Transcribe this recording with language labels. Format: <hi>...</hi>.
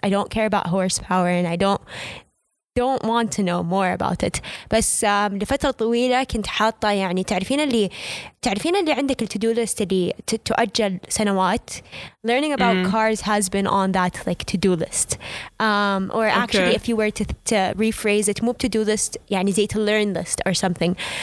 <en>I don't care about horsepower and I don't want to know more about it.</en> <ar>بس لفترة طويلة كنت حاطة يعني تعرفين اللي عندك</ar> <en>to-do list</en> <ar>اللي تؤجل سنوات.</ar> <en>Learning about cars has been on that like to-do list. Or actually okay. If you were to rephrase it, move to-do list,</en> <ar>يعني زي</ar> <en>to learn list or something.</en>